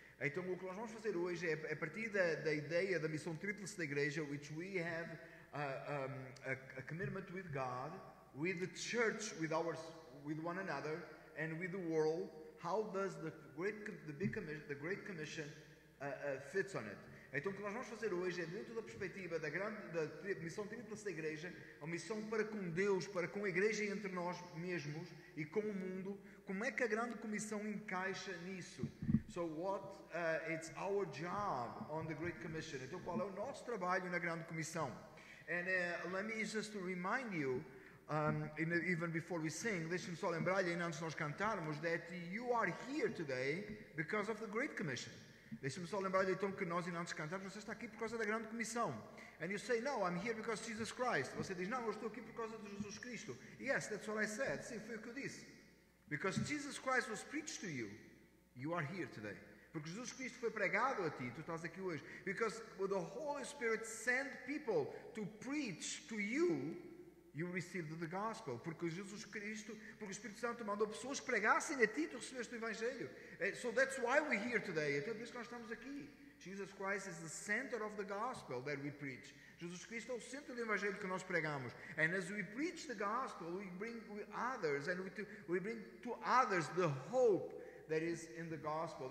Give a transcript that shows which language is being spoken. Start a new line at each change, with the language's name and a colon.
Portuguese: Então, o que nós vamos fazer hoje é a partir da ideia da missão tríplice da Igreja,
English: which we have a commitment with God, with the Church, with one another, and with the world. How does the Great Commission fits on it?
Portuguese: Então, o que nós vamos fazer hoje é dentro da perspectiva da missão tríplice da Igreja, a missão para com Deus, para com a Igreja entre nós mesmos e com o mundo. Como é que a Grande Comissão encaixa nisso?
English: So what it's our job on the Great Commission.
Portuguese: Então, qual é o nosso trabalho na Grande Comissão?
English: And let me just to remind you, even before we sing,
Portuguese: deixe-me só lembrar-lhe, ainda antes de nós cantarmos,
English: that you are here today because of the Great Commission.
Portuguese: Deixe-me só lembrar-lhe, então, que nós, ainda antes de cantarmos, você está aqui por causa da Grande Comissão.
English: And you say, no, I'm here because of Jesus Christ.
Portuguese: Você diz, não, eu estou aqui por causa de Jesus Cristo.
English: Yes, that's what I said.
Portuguese: Sim, foi o que eu disse.
English: Because Jesus Christ was preached to you. You are here today.
Portuguese: Porque Jesus Cristo foi pregado a ti, tu estás aqui hoje.
English: Because the Holy Spirit sent people to preach to you, you received the gospel.
Portuguese: Porque Jesus Cristo, porque o Espírito Santo mandou pessoas que pregassem a ti, tu recebeste o Evangelho.
English: So that's why we're here today.
Portuguese: Então é por isso que nós estamos aqui.
English: Jesus Christ is the center of the gospel that we preach.
Portuguese: Jesus Cristo é o centro do Evangelho que nós pregamos.
English: And as we preach the gospel, we bring others, and we bring to others the hope that is in the gospel.